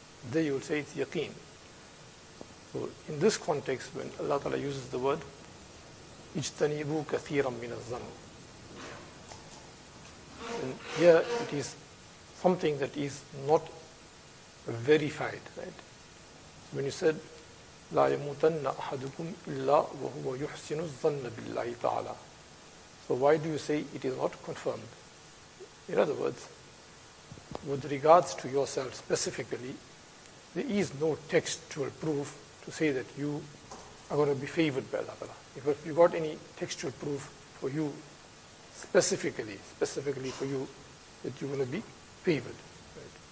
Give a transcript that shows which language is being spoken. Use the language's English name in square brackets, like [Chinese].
[English] There you will say it's yaqeen. So in this context, when Allah Ta'ala uses the word, [Arabic] اجتنبوا كثيرا من الظن. [English] And here it is something that is not verified, right? When you said, [Arabic] لا يموتن أحدكم إلا وهو يحسن الظن بالله تعالى. [English] So why do you say it is not confirmed? In other words, with regards to yourself specifically, there is no textual proof to say that you are going to be favored by Allah. If you got any textual proof for you specifically for you, that you're going to be favored. Right?